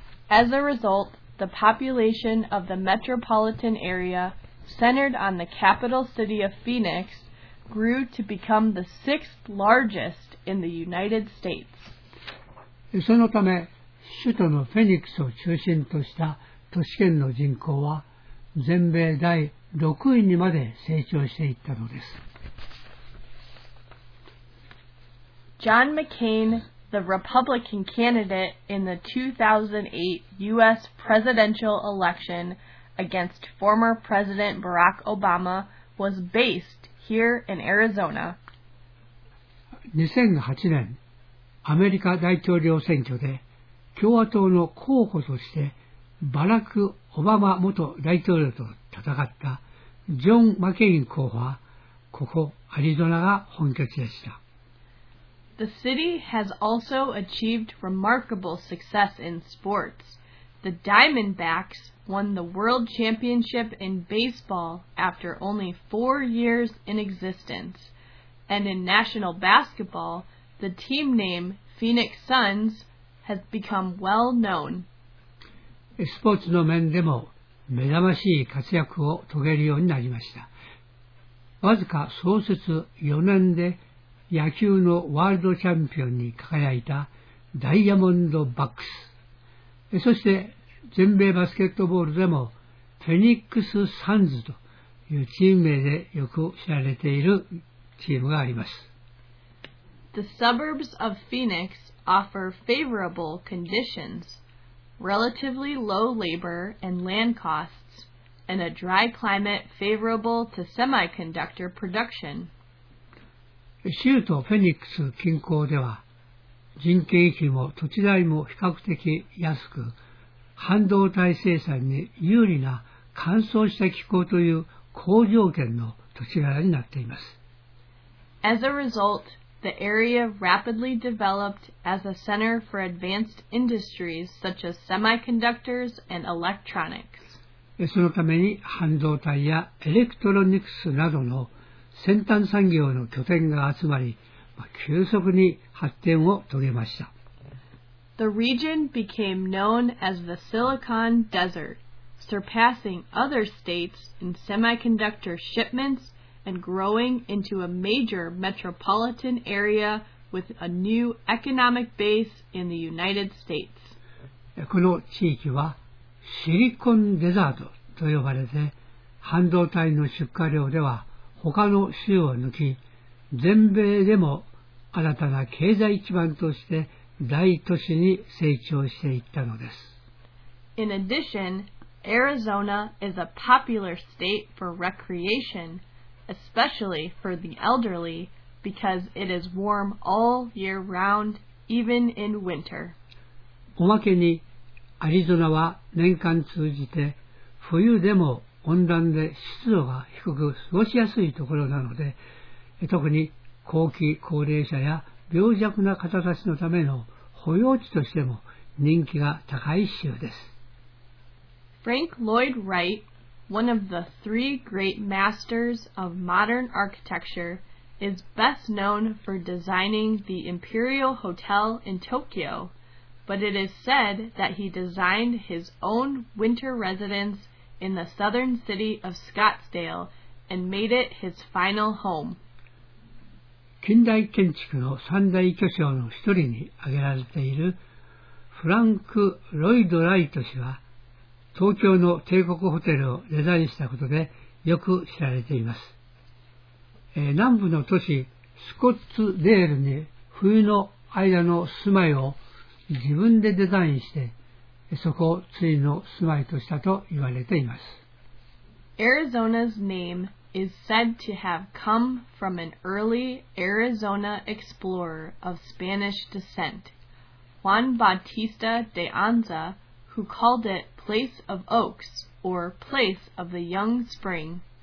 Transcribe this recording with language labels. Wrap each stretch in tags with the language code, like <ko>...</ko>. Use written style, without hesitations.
<en>As a result, the population of the metropolitan area centered on the capital city of Phoenix grew to become the sixth largest in the United States.</en> <ja>そのため、首都のフェニックスを中心とした都市圏の人口は全米第6位にまで成長していったのです。</ja> <en>John McCain, the Republican candidate in the 2008 U.S. presidential election against former President Barack Obama, was based here in Arizona.</en> <ja>2008年、アメリカ大統領選挙で共和党の候補としてバラク・オバマ元大統領と戦ったジョン・マケイン候補は、ここアリゾナが本拠地でした。</ja> <en>The city has also achieved remarkable success in sports. The Diamondbacks won the World Championship in baseball after only 4 years in existence. And in national basketball, the team name Phoenix Suns has become well known.</en> <ja>スポーツの面でも目覚ましい活躍を遂げるようになりました。わずか創設4年で野球のワールドチャンピオンに輝いたダイヤモンドバックス、そして全米バスケットボールでもフェニックスサンズというチーム名でよく知られているチームがあります。</ja> <en>The suburbs of Phoenix offer favorable conditions, relatively low labor and land costs, and a dry climate favorable to semiconductor production.</en> <ja>州都フェニックス近郊では人件費も土地代も比較的安く、半導体生産に有利な乾燥した気候という好条件の土地柄になっています。</ja> <en>As a result, the area rapidly developed as a center for advanced industries such as semiconductors and electronics.</en> <ja>そのために半導体やエレクトロニクスなどの先端産業の拠点が集まり、急速に発展を遂げました。</ja> <en>The region became known as the Silicon Desert, surpassing other states in semiconductor shipments and growing into a major metropolitan area with a new economic base in the United States.</en> <ja>この地域はシリコンデザートと呼ばれて、半導体の出荷量では他の州を抜き、全米でも新たな経済基盤として大都市に成長していったのです。</ja> <en>In addition, Arizona is a popular state for recreation, especially for the elderly, because it is warm all year round, even in winter.</en> <ja>おまけに、アリゾナは年間通じて冬でも温暖で湿度が低く過ごしやすいところなので、特に後期高齢者や病弱な方たちのための保養地としても人気が高い州です。</ja> <en>Frank Lloyd Wright, one of the three great masters of modern architecture, is best known for designing the Imperial Hotel in Tokyo, but it is said that he designed his own winter residence in the southern city of Scottsdale and made it his final home.</en> <ja>近代建築の三大巨匠の一人に挙げられているフランク・ロイド・ライト氏は、東京の帝国ホテルをデザインしたことでよく知られています。南部の都市スコッツデールに冬の間の住まいを自分でデザインして、そこを次の住まいとしたと言われています。</ja> <en>Arizona's name is said to have come from an early Arizona explorer of Spanish descent, Juan Bautista de Anza, who called it Place of Oaks, or Place of the Young Spring.</en>